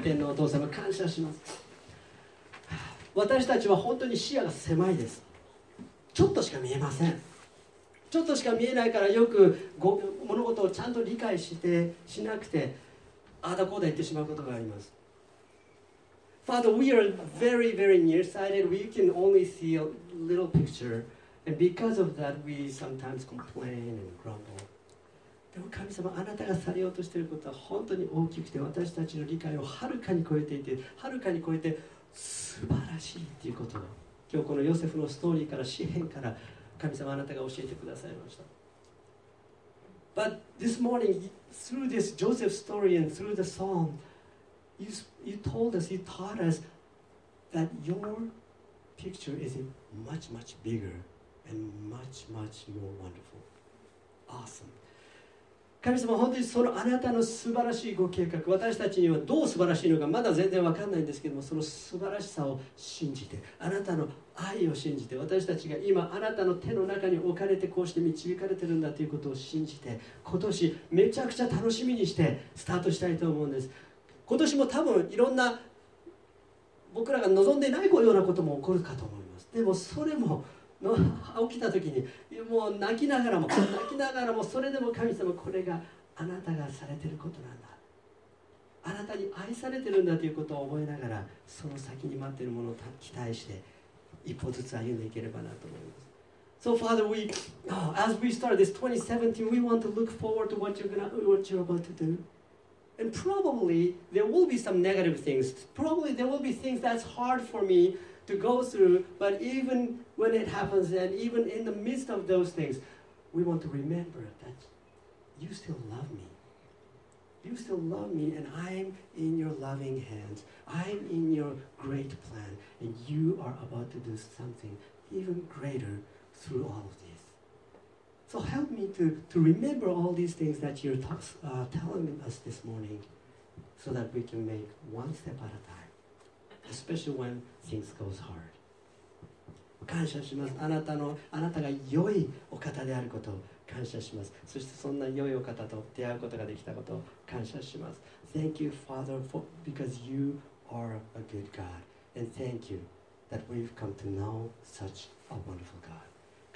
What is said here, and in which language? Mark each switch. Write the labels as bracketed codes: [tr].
[ja] 天のお父様、感謝します。私たちは本当に視野が狭いです。ちょっとしか見えません。ちょっとしか見えないから、よく物事をちゃんと理解してしなくて、ああだこうだ言ってしまうことがあります。 [en] Father, we are very, very nearsighted. We can only see a little picture, and because of that, we sometimes complain and grumble. [ja] でも神様、あなたがされようとしていることは本当に大きくて、私たちの理解をはるかに超えていて、はるかに超えて素晴らしいということを、今日このヨセフのストーリーから、詩編から、神様、あなたが教えてくださいました。 [en] But this morning, through this Joseph story and through the psalm, you told us, you taught us that your picture is much, much bigger and much, much more wonderful. Awesome. [ja] 神様、本当にそのあなたの素晴らしいご計画、私たちにはどう素晴らしいのかまだ全然分かんないんですけども、その素晴らしさを信じて、あなたの愛を信じて、私たちが今あなたの手の中に置かれて、こうして導かれてるんだということを信じて、今年めちゃくちゃ楽しみにしてスタートしたいと思うんです。今年も多分いろんな僕らが望んでないようなことも起こるかと思います。でもそれもの起きた時にもう泣きながらも泣きながらもそれでも神様これがあなたがされてることなんだ、あなたに愛されてるんだということを覚えながらその先に待っているものを期待して一歩ずつ歩んでいければなと思います。 [en] So Father, we, as we start this 2017, we want to look forward to what you're about to do. And probably there will be some negative things. Probably there will be things that's hard for me to go through. But even when it happens and even in the midst of those things, we want to remember that you still love me. You still love me and I'm in your loving hands. I'm in your great plan. And you are about to do something even greater through all of this. So help me to remember all these things that you're telling us this morning so that we can make one step at a time, especially when things go hard. [ja] 感謝します。あなたが良いお方であることを感謝します。そしてそんな良いお方と出会うことができたことを感謝します。 [en] Thank you, Father, because you are a good God. And thank you that we've come to know such a wonderful God.